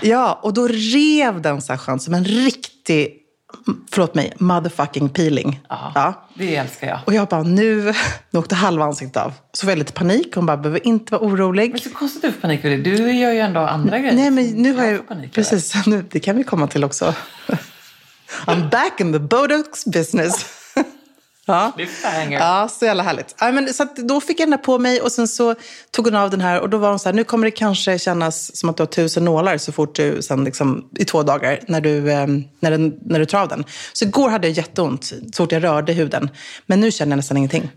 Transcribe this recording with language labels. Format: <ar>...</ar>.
<sv>Ja, och då rev den så här som en riktig... Förlåt mig, motherfucking peeling. Aha, ja, det älskar jag. Och jag bara, nu åkte halva ansiktet av. Så var jag lite panik, hon bara, behöver inte vara orolig. Men så kostar du för panik för det? Du gör ju ändå andra grejer. Nej, men nu har jag panik, precis, nu, det kan vi komma till också.</sv> <en>I'm back in the Botox business.</en> <sv>Ja. Ja, så jävla härligt. Ja, men, så att, då fick jag den på mig och sen så tog hon av den här. Och då var hon så här, nu kommer det kanske kännas som att du har 1000 nålar så fort du, sen liksom, i 2 dagar när du tar av den. Så igår hade jag jätteont så fort jag rörde huden. Men nu känner jag nästan ingenting.</sv>